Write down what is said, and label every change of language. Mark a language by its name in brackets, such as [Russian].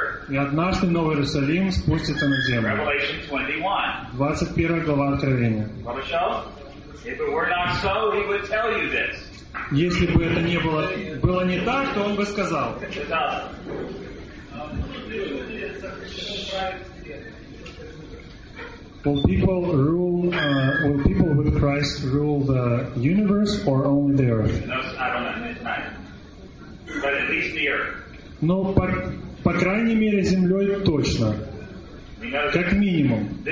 [Russian] И однажды Новый Иерусалим спустится на землю. 21 глава Откровения. [English] If it were not so, he would tell you this. [Russian] Если бы это не было, было не так, то он бы сказал. [English] Will people with Christ rule the universe or only the earth? No, I don't know. But at least the earth. [Russian] Но по крайней мере землей точно. Как минимум.